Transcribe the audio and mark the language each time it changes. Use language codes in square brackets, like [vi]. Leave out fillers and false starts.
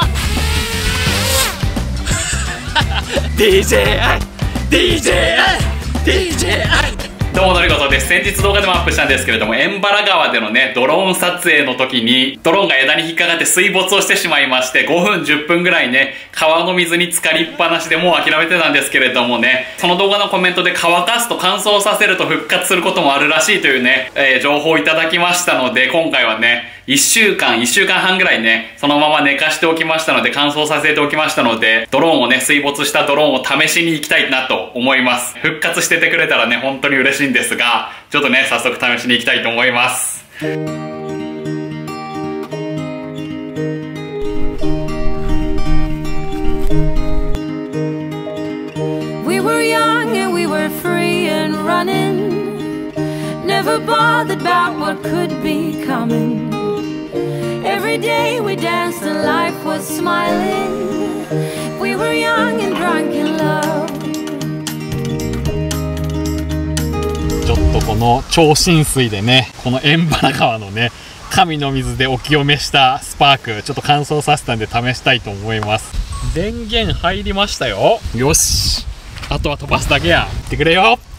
[ja] うわDJI DJI DJI。どうもノリゴ島です。先日動画でもアップしたんですけれども、円原川でのねドローン撮影の時にドローンが枝に引っかかって水没をしてしまいまして、5分10分ぐらいね川の水に浸かりっぱなしでもう諦めてたんですけれどもね、その動画のコメントで乾かすと乾燥させると復活することもあるらしいというね、情報をいただきましたので、今回はね1週間半ぐらいねそのまま寝かしておきましたので、乾燥させておきましたので、ドローンをね、水没したドローンを試しに行きたいなと思います。復活しててくれたらね本当に嬉しいんですが、ちょっとね早速試しに行きたいと思います。 [en] We were young and we were free and running, never bothered about what could be comingEvery day we danced and life was smiling. We were young and drunk in love. [ja] ちょっとこの超浸水でね、この円原川のね神の水でお清めしたスパークちょっと乾燥させたんで試したいと思います。電源入りましたよ。よし、あとは飛ばすだけや。行ってくれよ。